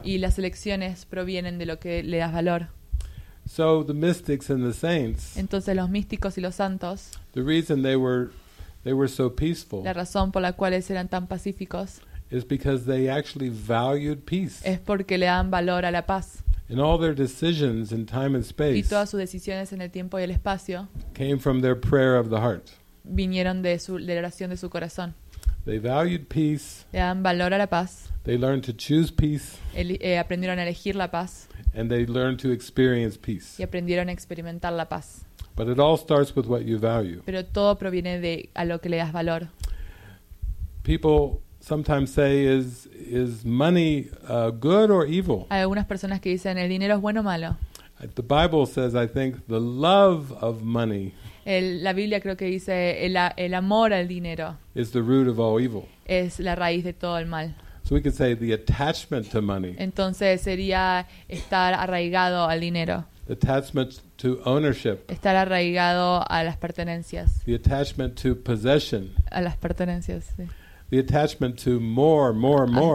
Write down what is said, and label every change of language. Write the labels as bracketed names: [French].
[Spanish] Y las elecciones provienen de lo que le das valor. [English] So the mystics and the saints. [Spanish] Entonces los místicos y los santos. [English] The reason they were so peaceful. [Spanish] La razón por la cual eran tan pacíficos. [English] Is because they actually valued peace. [Spanish] Es porque le dan valor a la paz. [English] And all their decisions in time and space. [Spanish] Y todas sus decisiones en el tiempo y el espacio. [English] Came from their prayer of the heart. [Spanish] Vinieron de la oración de su corazón. [English] They valued peace. [Spanish] Le dan valor a la paz. [English] They learned to choose peace. [Spanish] Aprendieron a elegir la paz. [English] And they learned to experience peace. [Spanish] Y aprendieron a experimentar la paz. [English] But it all starts with what you value. [Spanish] Pero todo proviene de a lo que le das valor. [English] People sometimes say is money good or evil? [Spanish] Hay algunas personas que dicen el dinero es bueno o malo. [English] The Bible says I think the love of money. [Spanish] La Biblia creo que dice el amor al dinero. [English] Is the root of all evil. [Spanish] Es la raíz de todo el mal. [English] So we could say the attachment to money. [Spanish] Entonces sería estar arraigado al dinero. [English] The attachment to ownership. [Spanish] Estar arraigado a las pertenencias. [English] The attachment to possession. [Spanish] A las pertenencias, sí. [English] The attachment to more.